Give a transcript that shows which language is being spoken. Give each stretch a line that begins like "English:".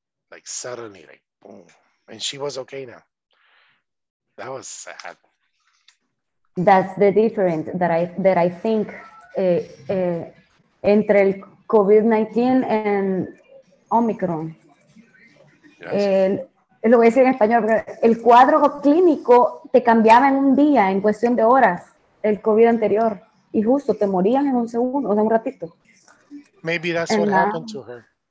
English: Like suddenly, like boom. And she was okay now. That was sad. That's the difference that I think
Spanish: entre el
English: COVID-19 and Omicron. Yes.
Spanish: Lo voy a decir en español, el cuadro clínico te cambiaba en un día, en cuestión de horas, el COVID anterior, y justo te morían en un segundo, o sea, un ratito.
English: Maybe that's and what now, happened to her.